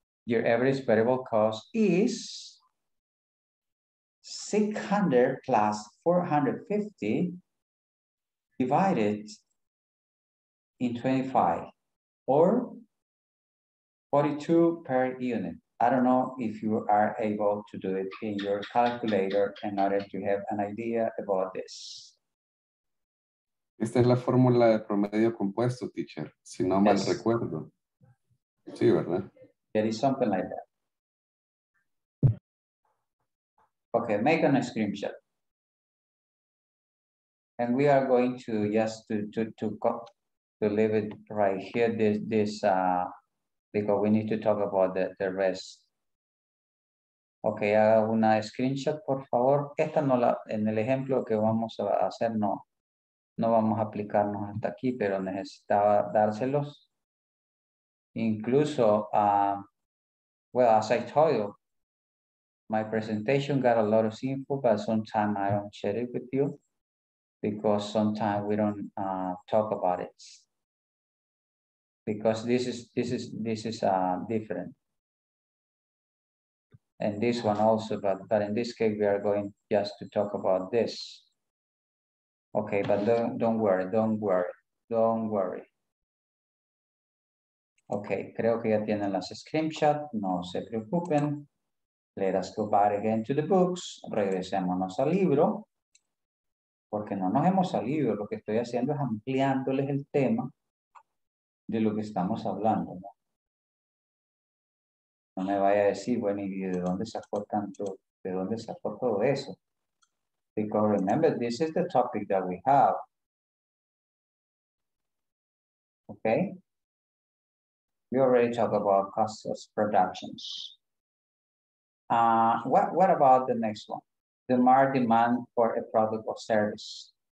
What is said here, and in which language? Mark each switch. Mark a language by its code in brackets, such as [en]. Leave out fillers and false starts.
[en] Your average variable cost is 600 plus 450 divided in 25 or 42 per unit. I don't know if you are able to do it in your calculator in order to have an idea about this. [es] Esta es la fórmula de promedio compuesto, teacher, si no mal recuerdo. Sí, ¿verdad? [en] It is something like that. Okay, make an screenshot. And we are going to just to leave it right here, this because we need to talk about the rest. [es] Okay, haga una screenshot, por favor. Esta no la, en el ejemplo que vamos a hacer, no vamos a aplicarnos hasta aquí, pero necesitaba dárselos. [en] Incluso, well, as I told you, my presentation got a lot of info, but sometimes I don't share it with you because sometimes we don't talk about it. Because this is different, and this one also, but in this case we are going just to talk about this. Okay, but don't worry. [es] Okay, creo que ya tienen las screenshot. No se preocupen. [en] Let us go back again to the books. [es] Regresémonos al libro, porque no nos hemos salido. Lo que estoy haciendo es ampliándoles el tema de lo que estamos hablando, ¿no? No me vaya a decir, bueno, ¿y de dónde sacó tanto, de dónde sacó todo eso? [en] Because remember, this is the topic that we have. Okay? We already talked about costs of productions. What about the next one? The market demand for a product or service.